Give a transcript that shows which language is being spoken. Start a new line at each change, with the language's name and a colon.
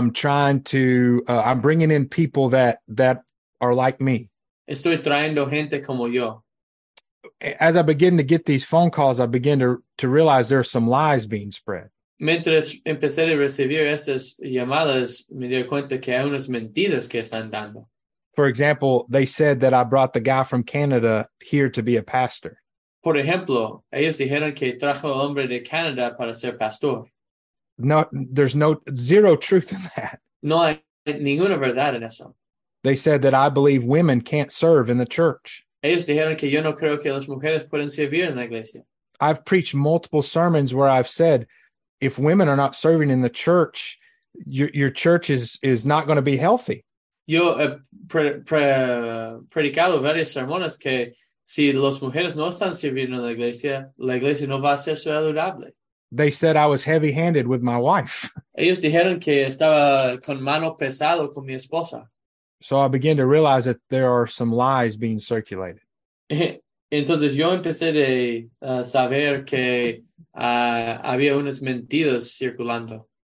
English: I'm bringing in people that are like me.
Spanish: Estoy trayendo gente como yo.
English: As I begin to get these phone calls, I begin to realize there are some lies being spread.
Spanish: Mientras empecé a recibir estas llamadas, me di cuenta que hay unas mentiras que están dando.
English: For example, they said that I brought the guy from Canada here to be a pastor.
Spanish: Por ejemplo, ellos dijeron que trajo al hombre de Canadá para ser pastor.
English: No, there's no zero truth in that.
Spanish: No hay ninguna verdad en eso.
English: They said that I believe women can't serve in the church.
Spanish: Ellos dijeron que yo no creo que las mujeres pueden servir en la iglesia.
English: I've preached multiple sermons where I've said, if women are not serving in the church, your church is not going to be healthy.
Spanish: Yo he predicado varios sermones que si las mujeres no están sirviendo en la iglesia no va a ser saludable.
English: They said I was heavy-handed with my wife.
Spanish: Ellos dijeron que estaba con mano pesado con mi esposa.
English: So I began to realize that there are some lies being circulated.
Spanish: Entonces yo empecé a saber que había unas mentiras circulando.